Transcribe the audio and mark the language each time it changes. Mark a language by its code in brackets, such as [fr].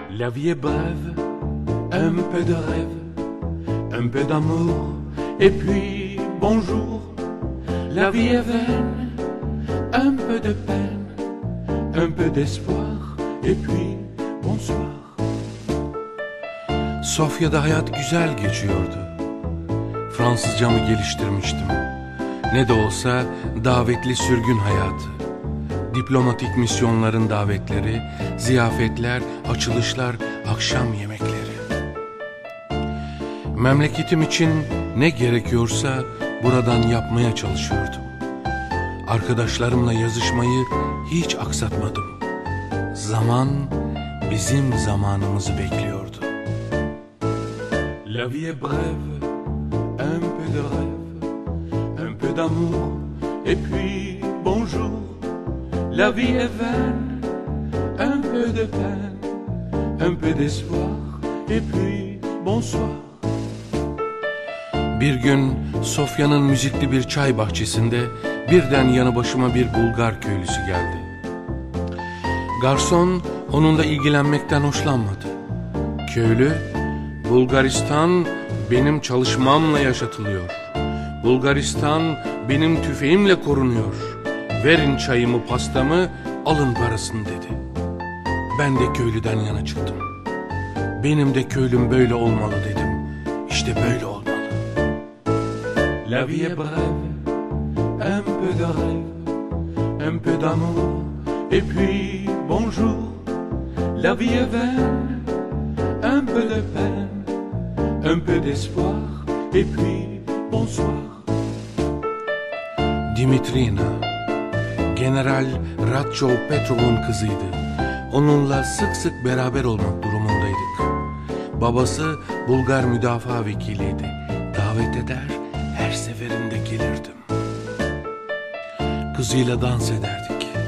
[fr] vie est brève, un peu de rêve, un peu d'amour, et puis bonjour. La vie est vaine, un peu de peine, un peu d'espoir, et puis bonsoir. [tr] Sofya'da hayat güzel geçiyordu. Fransızcamı geliştirmiştim. Ne de olsa davetli sürgün hayatı. Diplomatik misyonların davetleri, ziyafetler, açılışlar, akşam yemekleri. Memleketim için ne gerekiyorsa buradan yapmaya çalışıyordum. Arkadaşlarımla yazışmayı hiç aksatmadım. Zaman bizim zamanımızı bekliyordu. [fr] La vie est brève, un peu de rêve, un peu d'amour, et puis bonjour. La vie est vaine, un peu de peine, un peu d'espoir, et puis bonsoir. [tr] Bir gün Sofya'nın müzikli bir çay bahçesinde birden yanı başıma bir Bulgar köylüsü geldi. Garson onunla ilgilenmekten hoşlanmadı. Köylü, Bulgaristan benim çalışmamla yaşatılıyor. Bulgaristan benim tüfeğimle korunuyor. Verin çayımı, pastamı, alın parasını dedi. Ben de köylüden yana çıktım. Benim de köylüm böyle olmalı dedim. İşte böyle olmalı. [fr] La vie est brève, un peu de rêve, un peu d'amour, et puis bonjour. La vie est vaine, un peu de peine, un peu d'espoir, et puis bonsoir. [tr] Dimitrina General Radchov Petrov'un kızıydı. Onunla sık sık beraber olmak durumundaydık. Babası Bulgar müdafaa vekiliydi. Davet eder, her seferinde gelirdim. Kızıyla dans ederdik.